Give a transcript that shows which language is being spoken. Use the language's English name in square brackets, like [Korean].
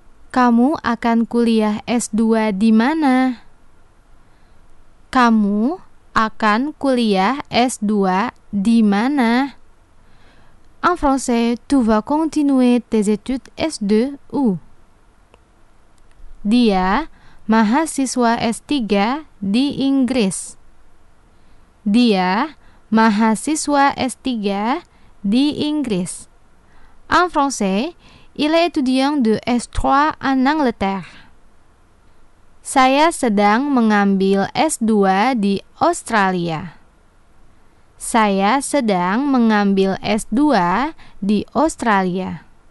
[Indonesian] Kamu akan kuliah S2 di mana? Kamu akan kuliah S2 di mana? [French] En français, tu vas continuer tes études S2 où? [Indonesian] Dia mahasiswa S3 di Inggris. Dia mahasiswa S3 di Inggris. [French] En français, il est étudiant de S3 en Angleterre. [Indonesian] Saya sedang mengambil S2 di Australia. Saya sedang mengambil S2 di Australia.